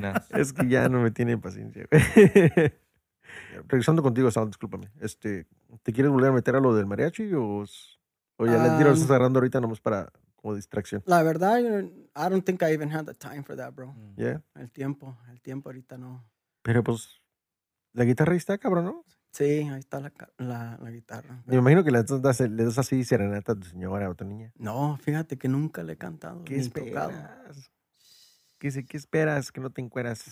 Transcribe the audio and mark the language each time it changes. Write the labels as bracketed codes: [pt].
[es] Es que ya no me tiene paciencia, güey. Regresando contigo, Sal, discúlpame. ¿Te quieres volver a meter a lo del mariachi o ya le tiro, lo estás agarrando ahorita nomás para como distracción? La verdad, [en] I don't think I even had the time for that, bro. Yeah. [es] El tiempo ahorita no. Pero pues, la guitarra ahí está, cabrón, ¿no? Sí, ahí está la guitarra. Me imagino que le das así serenata a tu señora o a tu niña. No, fíjate que nunca le he cantado. ¿Qué esperas? Tocado. ¿Qué esperas? Que no te encueras.